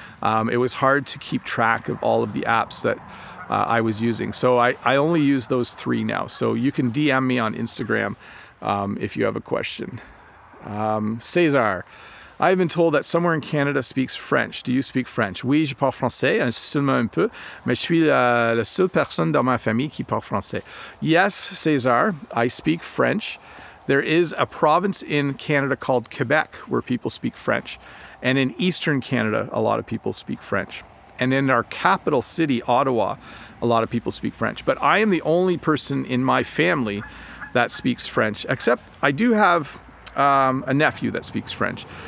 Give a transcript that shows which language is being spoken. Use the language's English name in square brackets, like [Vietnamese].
[English] It was hard to keep track of all of the apps that I was using. So I only use those three now. So you can DM me on Instagram if you have a question. Cesar, I've been told that somewhere in Canada speaks French. Do you speak French? [French] Oui, je parle français, seulement un peu, mais je suis la seule personne dans ma famille qui parle français. [English] Yes, Cesar, I speak French. There is a province in Canada called Quebec where people speak French. And in Eastern Canada, a lot of people speak French. And in our capital city, Ottawa, a lot of people speak French. But I am the only person in my family that speaks French, except I do have a nephew that speaks French.